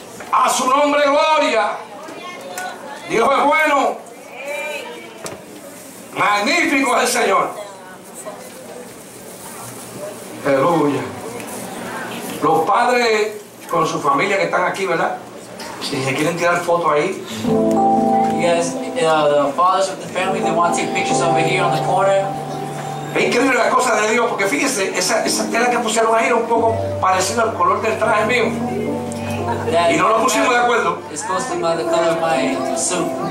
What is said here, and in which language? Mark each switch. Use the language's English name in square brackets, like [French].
[Spanish] A su nombre gloria. Dios es bueno. Magnífico es el Señor. Aleluya. Los padres con su familia que están aquí, ¿verdad? Si se quieren tirar fotos ahí. [English] Yes, the fathers of the family, they want to take pictures over here on the corner. [Spanish] Es increíble la cosa de Dios, porque fíjense, esa tela que pusieron ahí era un poco parecida al color del traje mío. [English] That [Spanish] y no lo pusimos de acuerdo. [English] It's costing me the color of my suit.